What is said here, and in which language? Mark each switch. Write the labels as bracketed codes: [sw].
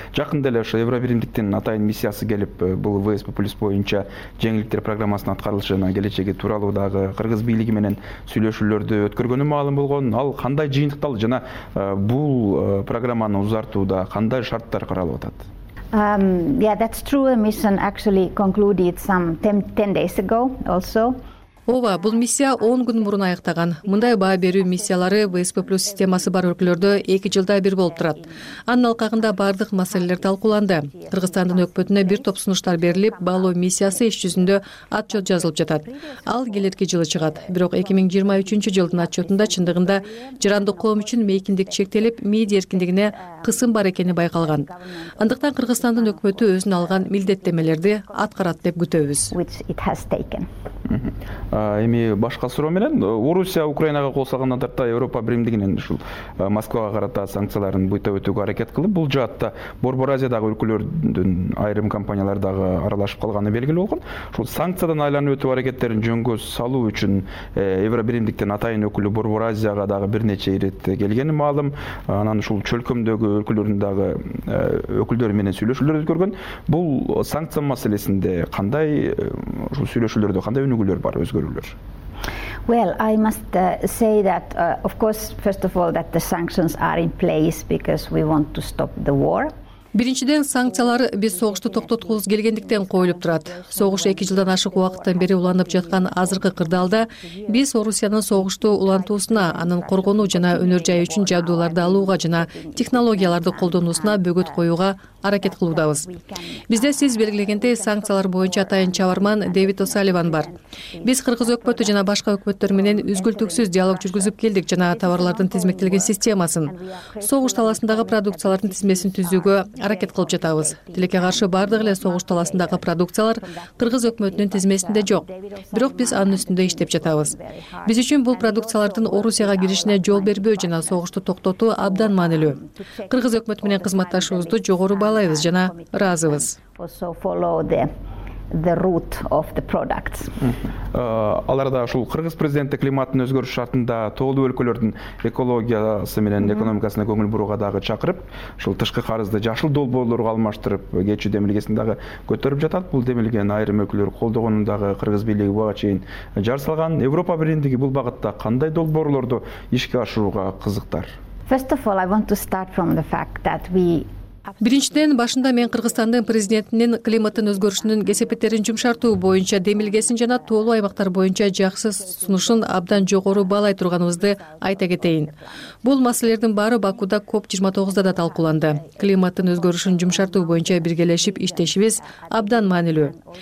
[ky] Жакында эле ошо Евробиримдиктин атайын миссиясы келип, бул ВСП Плюс боюнча жеңилдиктер программасынын аткарылышына келечеги тууралуу дагы кыргыз бийлиги менен сүйлөшүүлөрдү өткөргөнү маалым болгон. Ал кандай жыйынтыкталды жана бул программаны узартууда кандай шарттар каралып атат? [en] Yeah, that's true. Mission actually concluded some 10 days ago also. [ky] Ооба, бул миссия 10 күн мурун аяктаган. Мындай баа берүү миссиялары ВСП Плюс системасы бар өлкөлөрдө 2 жылда бир болуп турат. Анын алкагында баардык маселелер талкууланды. Кыргызстандын өкмөтүнө бир топ сунуштар берилип, баалоо миссиясы иш жүзүндө отчет жазылып жатат. Ал келерки жылы чыгат. Бирок 2023 жылдын отчетунда чындыгында жарандык коом үчүн мейкиндик чектелип, медиа эркиндигине кысым бар экени байкалган. Андыктан Кыргызстандын өкмөтү өзүнө алган милдеттенмелерди аткарат деп күтөбүз. Эми башка суроо менен, Орусия Украинага кол салгандан тарта Европа биримдигинин ушул Москвага карата санкцияларын буйтап өтүүгө аракет кылып, бул жаатта Борбор Азиядагы өлкөлөрдүн айрым компаниялары дагы аралашып калганы белгилүү болгон. Ушул санкциядан айланып өтүү аракеттерин жөнгө салуу үчүн Евробиримдиктин атайын өкүлү Борбор Азияга дагы бир нече ирет келгени маалым. Анан ушул чөлкөмдөгү өлкөлөрдүн дагы өкүлдөрү менен сүйлөшүүлөр өткөргөн. Бул санкция маселесинде кандай ушул сүйлөшүүлөрдө кандай өнүгүүлөр бар? Өзгөрүүлөр. [en] Well, I must say that of course first of all that the sanctions are in place because we want to stop the war. [ky] Биринчиден, санкциялар биз согушту токтоткубуз келгендиктен коюлуп турат. Согуш 2 жылдан ашык убакыттан бери уланып жаткан азыркы кырдаалда биз Орусиянын согушту улантуусуна, анын коргонуу жана өнөр жай үчүн жабдууларды алууга жана технологияларды колдонуусуна бөгөт коюуга аракет кылуудабыз. Бизде сиз белгилегендей санкциялар боюнча атайын чабарман Дэвид О'Салливан бар. Биз кыргыз өкмөтү жана башка өкмөттөр менен үзгүлтүксүз диалог жүргүзүп келдик жана товарлардын тизмектелген системасын, согуш талаасындагы продукциялардын тизмесин түзүүгө аракет кылып жатабыз. Тилекке каршы бардык эле согуш талаасындагы продукциялар кыргыз өкмөтүнүн тизмесинде жок. Бирок биз анын үстүндө иштеп жатабыз. Биз үчүн бул продукциялардын Орусияга киришине жол бербөө жана согушту токтотуу абдан маанилүү. Кыргыз өкмөтү менен кызматташыбызды жогору баалайбыз жана ыраазыбыз. [en] The root of the products. [ky] Аларда ушул кыргыз президенти климаттын өзгөрүшү шартында тоолуу өлкөлөрдүн экологиясы менен экономикасына көңүл бурууга дагы чакырып, ушул тышкы карызды жашыл долбоорлорго алмаштырып, кечүү демилгесин дагы көтөрүп жатат. Бул демилгени айрым өлкөлөр колдогонун дагы кыргыз бийлиги буга чейин жар салган. Европа бириндиги бул багытта кандай долбоорлорду ишке ашырууга кызыктар? [en] First of all, I want to start from the fact that we [ky] Биринчиден, башында мен Кыргызстандын президентинин климаттын өзгөрүшүнүн кесепеттерин жумшартуу боюнча демилгесин жана тоолуу аймактар боюнча жакшы сунушун абдан жогору баалай турганыбызды айта кетейин. Бул маселелердин баары Бакуда COP29 да талкууланды. Климаттын өзгөрүшүн жумшартуу боюнча биргелешип иштешибиз абдан маанилүү.